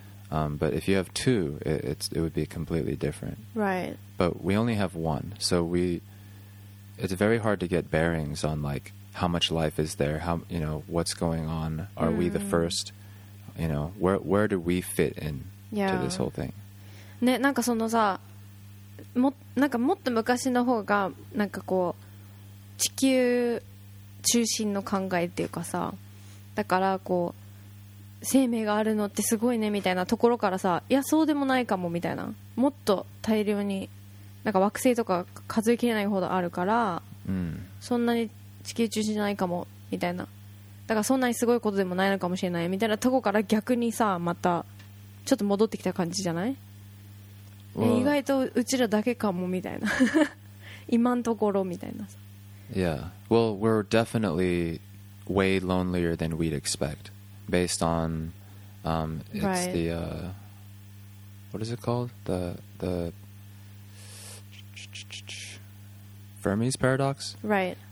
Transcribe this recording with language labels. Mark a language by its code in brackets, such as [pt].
[en] But if you have two, it would be completely different. Right. But we only have one. So it's very hard to get bearings on like how much life is there, how, you know, what's going on. Are we the first? You know, where do we fit in to this whole thing? [ja] ね、なんかそのさ、なんかもっと昔の方がなんかこう地球中心の考えっていうかさ、だからこう生命があるのってすごいねみたいなところからさ、いやそうでもないかもみたいな、もっと大量になんか惑星とか数えきれないほどあるから、そんなに地球中心じゃないかもみたいな、だからそんなにすごいことでもないのかもしれないみたいなとこから逆にさ、またちょっと戻ってきた感じじゃない？ [en] Well, [ja] 意外とうちらだけかもみたいな今のところみたいな。 [en] Yeah, well, we're definitely way lonelier than we'd expect based on what is it called? The Fermi's paradox? Right.